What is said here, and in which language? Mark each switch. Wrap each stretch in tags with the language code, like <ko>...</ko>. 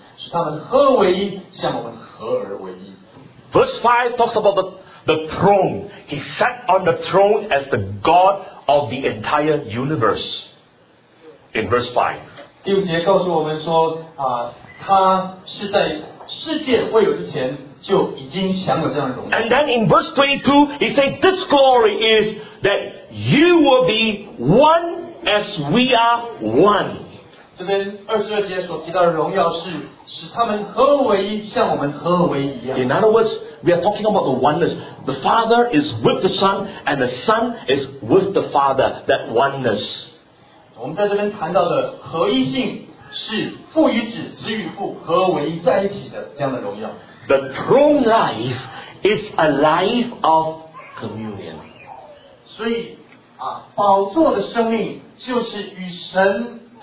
<zh>22节，你赐给我的荣耀，你所赐给我的荣耀，我已赐给他们，使他们合为一，像我们合而为一。</zh> <en>Verse 5 talks about the throne. He sat on the throne as the God of the entire universe. In verse 5.</en> <zh>第五节告诉我们说，他是在世界未有之前就已经享有这样的荣耀。</zh> <en>And then in verse 22, he said, "This glory is that." You will be one as we are one.</en> <zh>这边二十二节所提到的荣耀是使他们合而为一，像我们合而为一样。</zh> <en>In other words, we are talking about the oneness. The Father is with the Son, and the Son is with the Father. That oneness.</en> <zh>我们在这边谈到的合一性是父与子、子与父合而为一在一起的这样的荣耀。</zh> <en>The true life is a life of communion.</en> <zh>所以啊，宝座的生命就是与神。</zh>